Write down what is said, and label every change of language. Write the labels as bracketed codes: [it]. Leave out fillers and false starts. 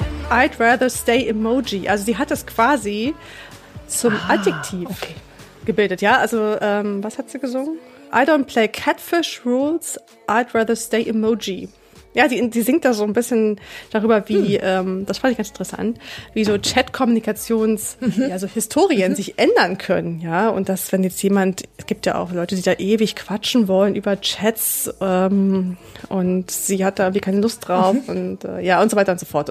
[en] I'd rather stay emoji. [de] Also sie hat das quasi zum Adjektiv gebildet. Ja, also was hat sie gesungen? [en] I don't play catfish rules, I'd rather stay emoji. [de] Ja, die singt da so ein bisschen darüber, wie, das fand ich ganz interessant, wie so Chat-Kommunikations, also Historien sich ändern können. Ja, und dass wenn jetzt jemand, es gibt ja auch Leute, die da ewig quatschen wollen über Chats und sie hat da irgendwie keine Lust drauf und ja und so weiter und so fort.